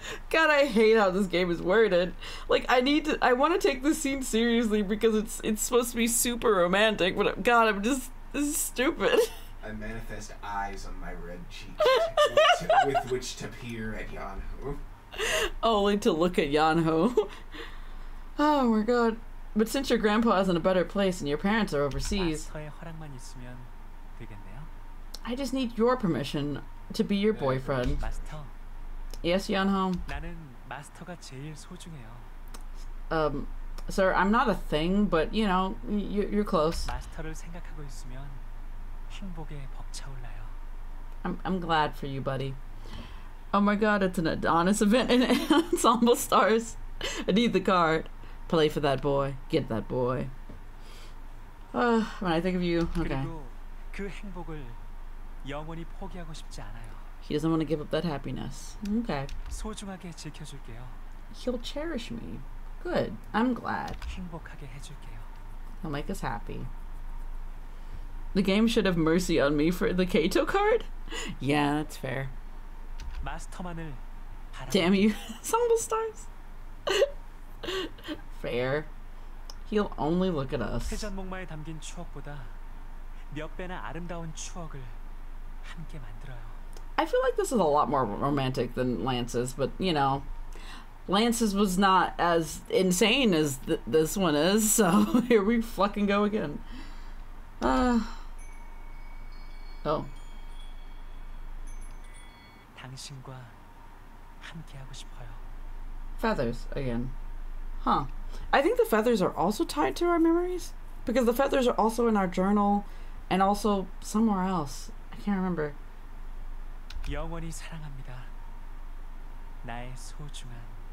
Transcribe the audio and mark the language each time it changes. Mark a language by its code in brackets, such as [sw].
[en] God, I hate how this game is worded. Like, I want to take this scene seriously because it's supposed to be super romantic, but God, I'm just, this is stupid. I manifest eyes on my red cheeks with which to peer at Yeonho. Only to look at Yeonho. Oh my god. But since your grandpa is in a better place and your parents are overseas, [ko] 마스터의 허락만 있으면 되겠네요. [en] I just need your permission to be your boyfriend. [ko] 마스터. [en] Yes, Yeonho. [ko] 나는 마스터가 제일 소중해요. [en] Sir, I'm not a thing, but you know, you're close. [ko] 마스터를 생각하고 있으면 행복에 벅차올라요. [en] I'm glad for you, buddy. Oh my god, it's an Adonis event in Ensemble Stars. I need the card. Play for that boy. Get that boy. When I think of you, okay. [ko] 그 행복을 영원히 포기하고 싶지 않아요. [en] He doesn't want to give up that happiness. Okay. [ko] 소중하게 지켜줄게요. [en] He'll cherish me. Good. I'm glad. [ko] 행복하게 해줄게요. [en] He'll make us happy. The game should have mercy on me for the Kato card? Yeah, that's fair. [ko] 마스터만을 바라. [en] Damn you, Ensemble Stars. Fair. He'll only look at us. [ko] 회전목마에 담긴 추억보다 몇 배나 아름다운 추억을 함께 만들어요. [en] I feel like this is a lot more romantic than Lance's, but you know, Lance's was not as insane as this one is, so here we fucking go again. Oh. [ko] 당신과 함께하고 싶어요. [en] Feathers again. Huh. I think the feathers are also tied to our memories, because the feathers are also in our journal and also somewhere else. I can't remember. [ko] 영원히 사랑합니다. 나의 소중한